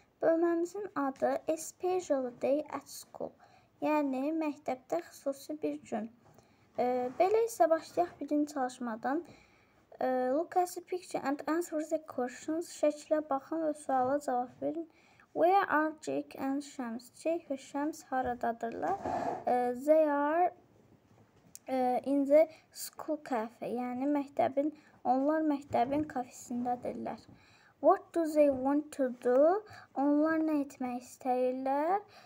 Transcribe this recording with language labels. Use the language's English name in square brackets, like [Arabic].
[Azerbaijani] Bölməmizin adı [English] A Special Day at School, [Azerbaijani] yəni məktəbdə xüsusi bir gün. Belə isə başlayaq birinci çalışmadan. [English] Look at the picture and answer the questions. [Azerbaijani] Şəklə baxın və suala cavab verin. [English] Where are Jake and Shams? [Azerbaijani] Jake ve Shams haradadırlar? [English] They are in the school cafe. [Azerbaijani] Yani məktəbin, onlar məktəbin kafesindədirlər. [English] What do they want to do? [Azerbaijani] Onlar nə etmək istəyirlər?